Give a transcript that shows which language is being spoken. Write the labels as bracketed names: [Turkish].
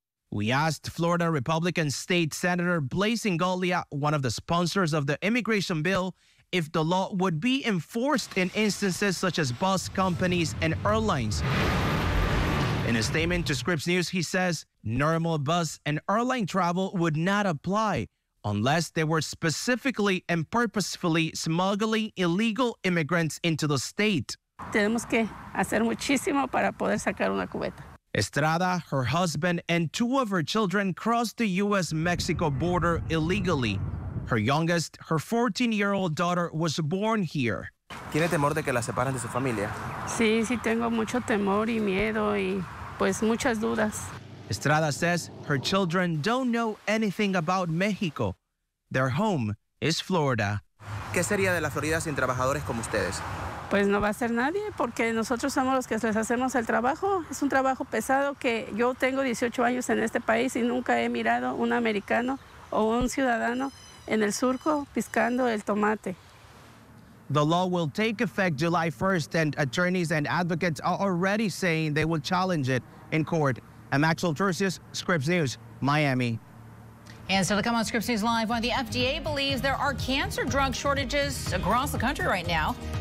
[English] We asked Florida Republican State Senator Blaise Ingalia, one of the sponsors of the immigration bill, if the law would be enforced in instances such as bus companies and airlines. In a statement to Scripps News, he says normal bus and airline travel would not apply unless they were specifically and purposefully smuggling illegal immigrants into the state. [Spanish] Tenemos que hacer muchísimo para poder sacar una cubeta. [English] Estrada, her husband, and two of her children crossed the U.S.-Mexico border illegally. Her youngest, her 14-year-old daughter, was born here. [Spanish] ¿Tiene temor de que la separen de su familia? Sí, sí, tengo mucho temor y miedo y, pues, muchas dudas. [English] Estrada says her children don't know anything about Mexico. Their home is Florida. [Spanish] ¿Qué sería de la Florida sin trabajadores como ustedes? Pues no va a ser nadie, porque nosotros somos los que les hacemos el trabajo. Es un trabajo pesado que yo tengo 18 años en este país y nunca he mirado un americano o un ciudadano en el surco piscando el tomate. [English] The law will take effect July 1st, and attorneys and advocates are already saying they will challenge it in court. I'm Axel Tercios, Scripps News, Miami. And so to come on Scripps News Live, why the FDA believes there are cancer drug shortages across the country right now.